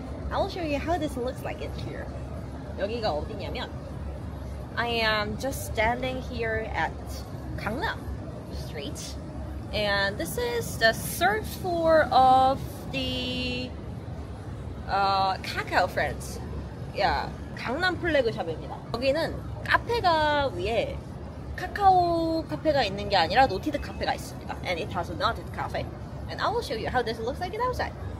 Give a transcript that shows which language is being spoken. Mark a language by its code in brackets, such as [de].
[en] I will show you how this looks like it here. [ko] 여기가 어디냐면 [en] I am just standing here at Gangnam Street. And this is the third floor of the Kakao Friends. Yeah, [ko] 강남 플래그샵입니다. 여기는 카페가 위에 카카오 카페가 있는 게 아니라 노티드 카페가 있습니다. [en] And it has a noted cafe. And I will show you how this looks like it outside.